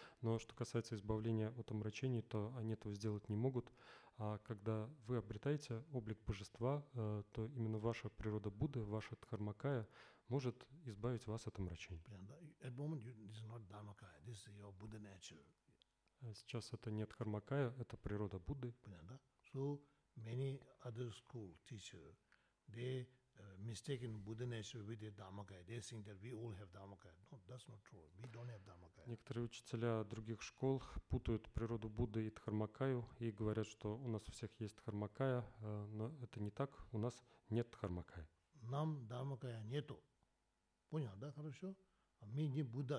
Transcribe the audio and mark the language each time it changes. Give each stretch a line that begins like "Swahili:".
Russian: Но что касается избавления от омрачений, то они этого сделать не могут. А когда вы обретаете облик божества, то именно ваша природа Будды, ваша дхармакая может избавить вас от омрачений.
English: At the moment, this is not dharmakaya, this is your Buddha nature.
Russian: Сейчас это не дхармакая, это природа Будды. Понятно?
English: So many other school teachers, they mistaken Buddha nature with their dharmakaya. They think that we all have dharmakaya. No, that's not true. We don't have dharmakaya.
Russian: Некоторые учителя других школ путают природу Будды и дхармакаю и говорят, что у нас у всех есть дхармакая, но это не так. У нас нет дхармакаи. Нам дхармакая нету. Понял, да? Хорошо. Мы не Будда.